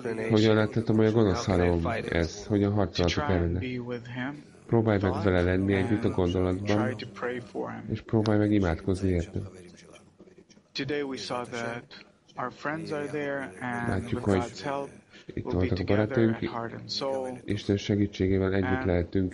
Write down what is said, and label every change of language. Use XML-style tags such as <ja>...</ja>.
<hu>Hogyan láthatom, hogy a gonosz hálom ez? Hogyan harcolhatok ellene? Próbálj meg vele lenni együtt a gondolatban, és próbálj meg imádkozni érte.</hu> <en>Today we saw that our friends are there and</en> <hu>látjuk,</hu> <en>with God's help</en> <hu>itt voltak a barátaink, Isten segítségével együtt lehetünk.</hu>